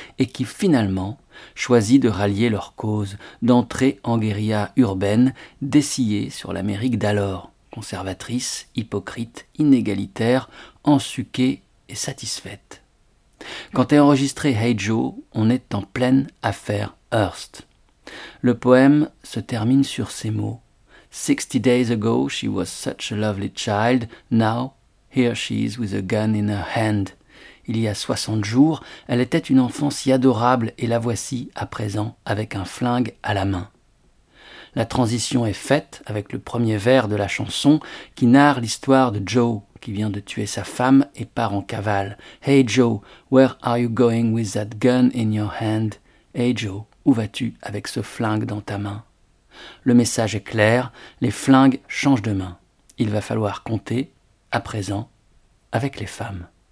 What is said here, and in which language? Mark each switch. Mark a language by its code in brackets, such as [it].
[fr] et qui finalement choisit de rallier leur cause, d'entrer en guérilla urbaine, d'essayer sur l'Amérique d'alors, conservatrice, hypocrite, inégalitaire, ensuquée et satisfaite. Quand est enregistré Hey Joe, on est en pleine affaire Hearst. Le poème se termine sur ces mots. [en] 60 days ago, she was such a lovely child. Now, here she is with a gun in her hand. [fr] Il y a 60 jours, elle était une enfant si adorable et la voici à présent avec un flingue à la main. La transition est faite avec le premier vers de la chanson qui narre l'histoire de Joe qui vient de tuer sa femme et part en cavale. [en] Hey Joe, where are you going with that gun in your hand? [fr] Hey Joe, où vas-tu avec ce flingue dans ta main? Le message est clair, les flingues changent de main. Il va falloir compter, à présent, avec les femmes.